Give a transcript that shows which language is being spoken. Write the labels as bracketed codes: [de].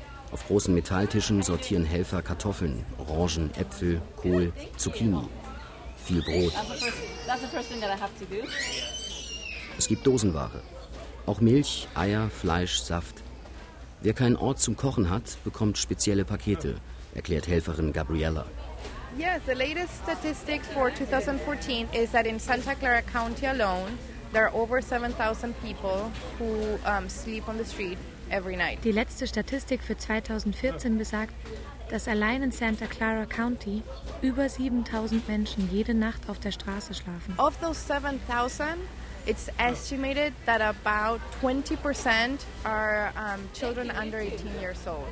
[de] Auf großen Metalltischen sortieren Helfer Kartoffeln, Orangen, Äpfel, Kohl, Zucchini. Viel Brot. Es gibt Dosenware. Auch Milch, Eier, Fleisch, Saft. Wer keinen Ort zum Kochen hat, bekommt spezielle Pakete, erklärt Helferin Gabriella. [en] Yes, the latest statistics for 2014 is that in Santa Clara County alone, there are over 7,000 people who sleep on the street every night. [de] Die letzte Statistik für 2014 besagt, dass allein in Santa Clara County über 7000 Menschen jede Nacht auf der Straße schlafen. [en] Of those 7000, it's estimated that about 20% are children under 18 years old.